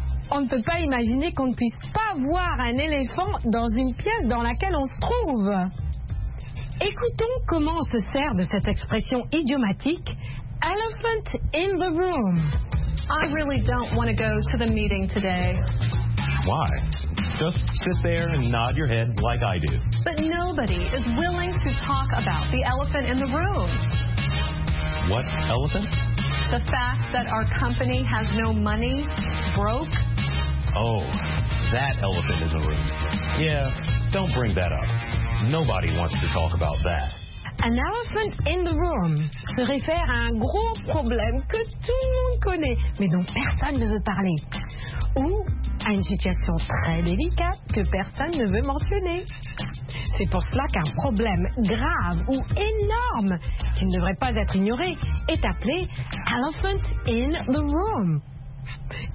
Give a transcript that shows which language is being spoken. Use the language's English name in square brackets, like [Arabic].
[French] On ne peut pas imaginer qu'on ne puisse pas voir un éléphant dans une pièce dans laquelle on se trouve. Écoutons comment on se sert de cette expression idiomatique « [English] elephant in the room ». I really don't want to go to the meeting today. Why? Just sit there and nod your head like I do. But nobody is willing to talk about the elephant in the room. What elephant? The fact that our company has no money, broke. Oh, that elephant in the room. Yeah, don't bring that up. Nobody wants to talk about that. An elephant in the room [French] se réfère à un gros problème que tout le monde connaît, mais dont personne ne veut parler. Ou à une situation très délicate que personne ne veut mentionner. C'est pour cela qu'un problème grave ou énorme qui ne devrait pas être ignoré est appelé « [English] elephant in the room ».